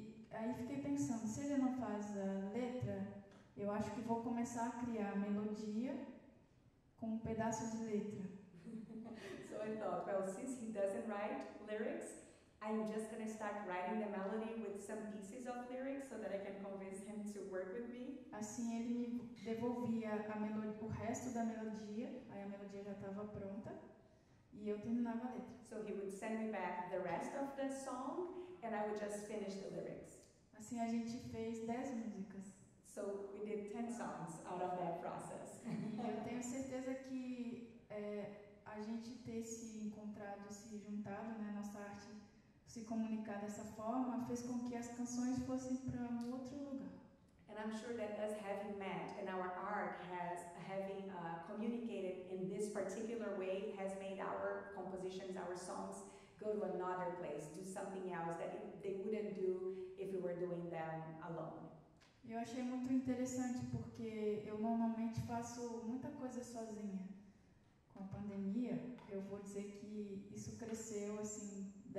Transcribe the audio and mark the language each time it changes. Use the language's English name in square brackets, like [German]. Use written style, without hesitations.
[Portuguese] Aí fiquei pensando, se ele não faz a letra, eu acho que vou começar a criar a melodia com um pedaço de letra. [English] So I thought, well, since he doesn't write lyrics, I'm just going to start writing the melody with some pieces of lyrics so that I can convince him to work with me. [Portuguese] Assim ele me devolvia a melodia, o resto da melodia, aí a melodia já estava pronta e eu terminava a letra. [English] So he would send me back the rest of the song and I would just finish the lyrics. [Portuguese] Assim a gente fez 10 músicas. [English] So we did 10 songs out of that process. [Portuguese] E eu tenho certeza que a gente ter se encontrado, se juntado, né, nossa arte se comunicar dessa forma fez com que as canções fossem para um outro lugar. [English] And I'm sure that us having met and our art has having communicated in this particular way has made our compositions, our songs go to another place, do something else that they wouldn't do if we were doing them alone. [Portuguese] Eu achei muito interessante porque eu normalmente faço muita coisa sozinha. Com a pandemia, eu vou dizer que isso cresceu assim 10%.